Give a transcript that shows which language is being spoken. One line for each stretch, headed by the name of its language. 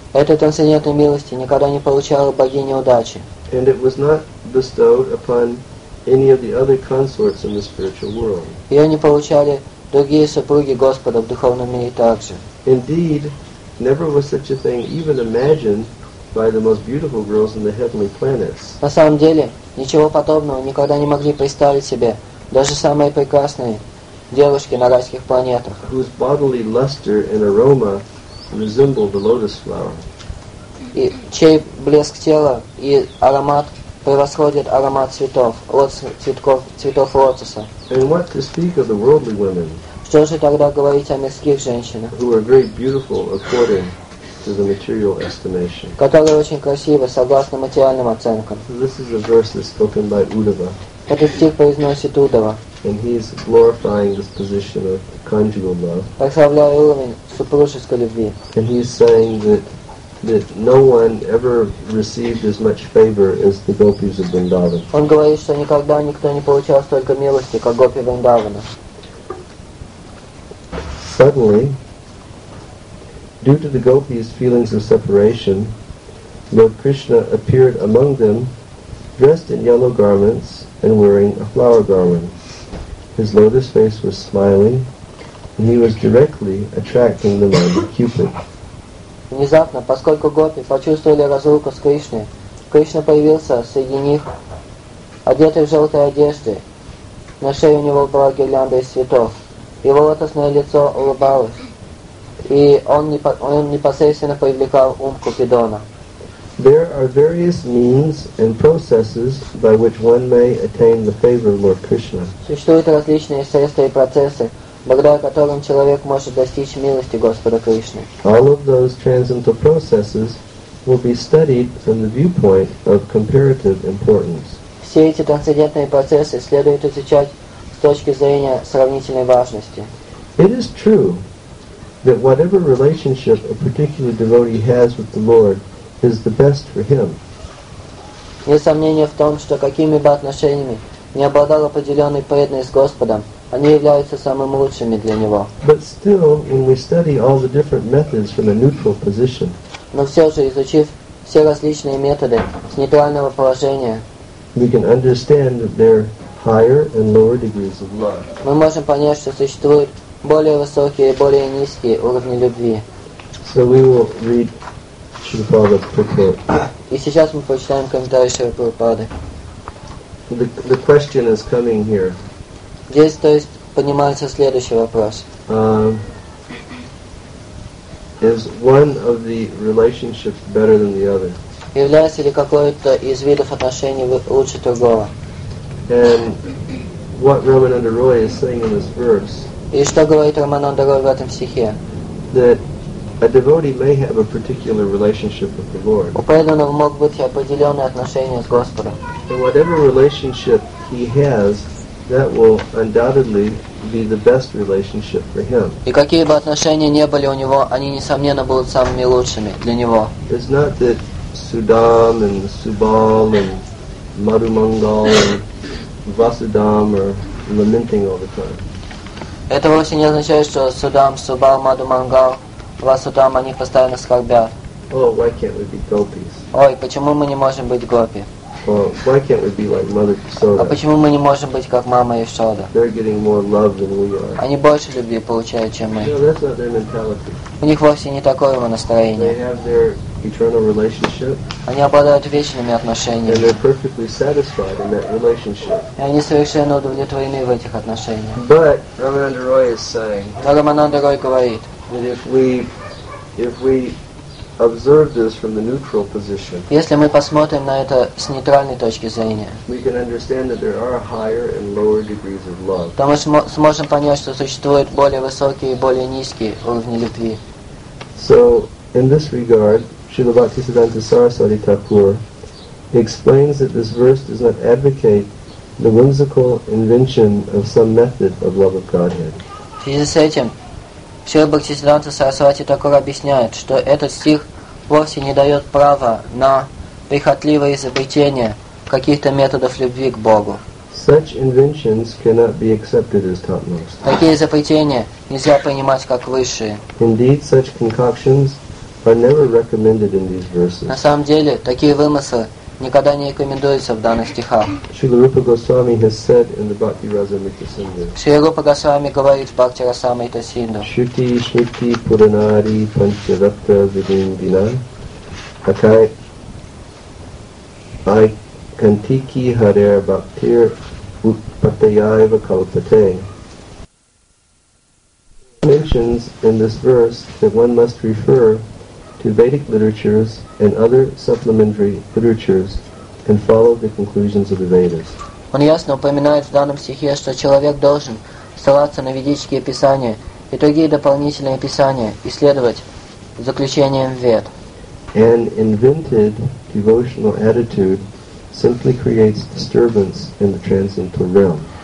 Russian: Этой трансцендентной милости никогда не получала богиня удачи.
English: And it was not bestowed upon any of the other consorts in the spiritual world.
Russian: Ее не получали другие супруги Господа в духовном мире также.
English: Indeed, never was such a thing even imagined by the most beautiful girls in the heavenly planets.
Russian: На самом деле, ничего подобного никогда не могли представить себе даже самые прекрасные девушки на райских планетах.
English: Whose bodily luster and aroma resembled the lotus flower.
Russian: И чей блеск тела и аромат превосходит аромат цветов, цветов лотоса.
English: And what to speak of the worldly women?
Russian: Что же тогда говорить о мирских женщинах,
English: who are very beautiful according to the material estimation.
Russian: Которые очень красивы согласно материальным оценкам.
English: So this is a verse that's spoken by Uddhava.
Russian: Этот стих произносит Уддхава.
English: And he is glorifying this position of conjugal love.
Russian: Прославляя уровень супружеской любви.
English: And he is saying that that no one ever received as much favor as the gopis of Vrindavan.
Russian: Он говорит, что никогда никто не получал столько милости, как гопи Вриндавана.
English: Suddenly, due to the gopis' feelings of separation, Lord Krishna appeared among them, dressed in yellow garments and wearing a flower garland. His lotus face was smiling, and he was directly attracting the mind of Cupid.
Russian: Внезапно, поскольку гопи почувствовали разлуку с Кришной, Кришна появился среди них, одетый в желтой одежде. На шее у него была гирлянда из цветов. Его лотосное лицо улыбалось, и он непосредственно привлекал ум Купидона.
English: There are various means and processes by which one may attain the favor of Lord Krishna.
Russian: Существуют различные средства и процессы, благодаря которым человек может достичь милости Господа Кришны.
English: All of those transcendental processes will be studied from the viewpoint of comparative importance.
Russian: Все эти трансцендентные процессы следует изучать с точки зрения сравнительной важности.
English: It is true that whatever relationship a particular devotee has with the Lord is the best for him.
Russian: Нет сомнения в том, что какими бы отношениями ни обладал определенный преданный с Господом, они являются самыми лучшими для него.
English: But still, when we study all the different methods from a neutral position,
Russian: но все же, изучив все различные методы с нейтрального положения,
English: we can understand that there are higher and lower degrees of love.
Russian: Мы можем понять, что существуют более высокие и более низкие уровни любви.
English: So we will read Śrīla Prabhupāda's purport.
Russian: И сейчас мы прочитаем комментарий Śrīla Prabhupāda.
English: The question is coming here.
Russian: Здесь, то есть, поднимается следующий вопрос.
English: Is one of the relationships better than the other?
Russian: Является ли какой-то из видов отношений лучше другого?
English: And what Ramananda Roy is saying in this verse?
Russian: И что говорит Рамананда Рой в этом стихе?
English: That a devotee may have a particular relationship with the Lord.
Russian: У преданного мог быть определенные отношения с Господом.
English: And whatever relationship he has, that will undoubtedly be the best relationship for him.
Russian: И какие бы отношения не были у него, они несомненно будут самыми лучшими для него.
English: It's not that Sudam and Subal and Madhumangal and Vasudam are lamenting all the time.
Russian: Это вовсе не означает, что Судам, Субал, Мадхумангал, Васудам, они постоянно скорбят.
English: Oh, why can't we be gopis?
Russian: Ой, почему мы не можем быть гопи?
English: Oh, why can't we be like Mother Yashoda?
Russian: А почему мы не можем быть как мама Яшода?
English: They're getting more love than we are.
Russian: Они больше любви получают, чем мы.
English: No, that's not their mentality.
Russian: У них вовсе не такое его настроение.
English: They have their eternal relationship.
Russian: Они обладают вечными отношениями.
English: And they're perfectly satisfied in that relationship.
Russian: И они совершенно удовлетворены в этих отношениях.
English: But Ramananda Roy is saying.
Russian: Но Рамананда Рой говорит.
English: That if we observe this from the neutral position.
Russian: Если мы посмотрим на это с нейтральной точки зрения.
English: We can understand that there are higher and lower degrees of love.
Russian: То мы сможем понять, что существуют более высокие и более низкие уровни любви.
English: So in this regard, Śrīla Bhaktisiddhānta Sarasvati Thakura explains that this verse does not advocate the whimsical invention of some method of love of Godhead.
Russian: В связи с этим, Śrīla Bhaktisiddhānta Sarasvati Thakura объясняет, что этот стих вовсе не дает права на прихотливое изобретение каких-то методов любви к Богу.
English: Such inventions cannot be accepted as topmost.
Russian: Такие изобретения нельзя принимать как высшие.
English: Indeed, such concoctions are never recommended in these verses.
Russian: На самом деле, такие вымыслы никогда не рекомендуются в данных стихах.
English: Śrīla Rūpa Gosvāmī has said in the Bhakti Rasamrita Sindhu.
Russian: Śrīla Rūpa Gosvāmī говорит в Бхакти Расамрита Синдху.
Sanskrit: Śruti śruti puranādi pañcaratna vidindinā akai ai kantiki harer bhaktir utpatayaiva kalpate.
English: Mentions in this verse that one must refer to Vedic literatures and other supplementary literatures and follow the conclusions of the Vedas.
Russian: Он ясно упоминает в данном стихе, что человек должен ссылаться на ведические писания и другие дополнительные писания и следовать заключениям Вед.
English: An invented devotional attitude simply creates disturbance in the transcendental realm.